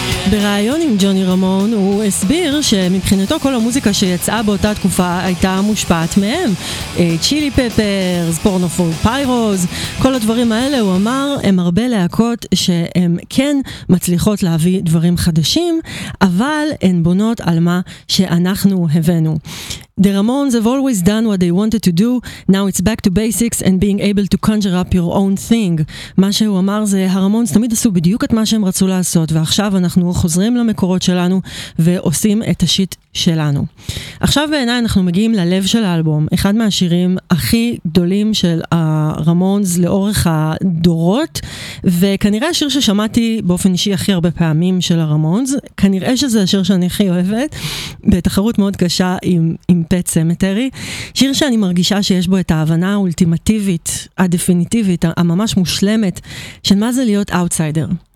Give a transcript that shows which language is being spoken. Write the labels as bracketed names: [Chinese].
[Hebrew] בראיון עם ג'וני רמון הוא הסביר שמבחינתו כל המוזיקה שיצאה באותה תקופה הייתה מושפעת מהם. צ'ילי פפרס, פורנו פור פיירוז, כל הדברים האלה הוא אמר הם הרבה להקות שהן כן מצליחות להביא דברים חדשים, אבל הן בונות על מה שאנחנו הבאנו. [English] The Ramones have always done what they wanted to do, now it's back to basics and being able to conjure up your own thing. [Hebrew] מה שהוא אמר זה, הרמונס תמיד עשו בדיוק את מה שהם רצו לעשות, ועכשיו אנחנו חוזרים למקורות שלנו ועושים את השיט שלנו. עכשיו בעיניי אנחנו מגיעים ללב של האלבום, אחד מהשירים הכי גדולים של הרמונס לאורך הדורות, וכנראה השיר ששמעתי באופן אישי הכי הרבה פעמים של הרמונס, כנראה שזה השיר שאני הכי אוהבת, בתחרות מאוד קשה עם פט סמטרי, שיר שאני מרגישה שיש בו את ההבנה האולטימטיבית, הדפיניטיבית, הממש מושלמת, של מה זה להיות אאוטסיידר.